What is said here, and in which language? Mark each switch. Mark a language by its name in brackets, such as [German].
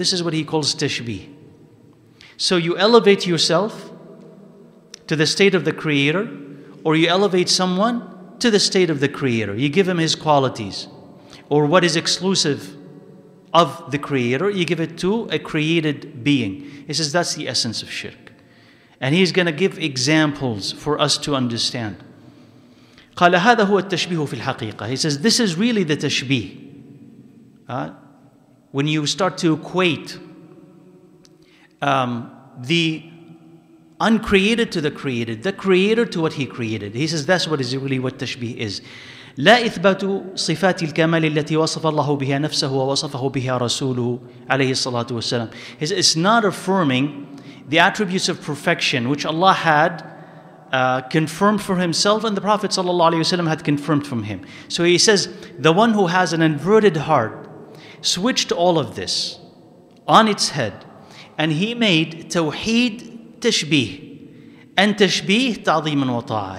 [English] This is what he calls tashbih. So you elevate yourself to the state of the Creator, or you elevate someone to the state of the Creator. You give him his qualities, or what is exclusive of the Creator, you give it to a created being. He says that's the essence of shirk. And he's going to give examples for us to understand. [Arabic] قال هذا هو التشبيه في الحقيقة. [English] He says, this is really the tashbih. When you start to equate the uncreated to the created, the creator to what he created. He says, that's what is really what tashbih is. [Arabic] لا إثبات صفات الكمال التي وصف الله بها نفسه ووصفه بها رسوله عليه الصلاة والسلام. [English] He says, it's not affirming the attributes of perfection which Allah had confirmed for himself and the Prophet sallallahu alaihi wasallam had confirmed from him. So he says, the one who has an inverted heart switched all of this on its head, and he made tawheed tashbih and tashbih ta'zeeman wa ta'a.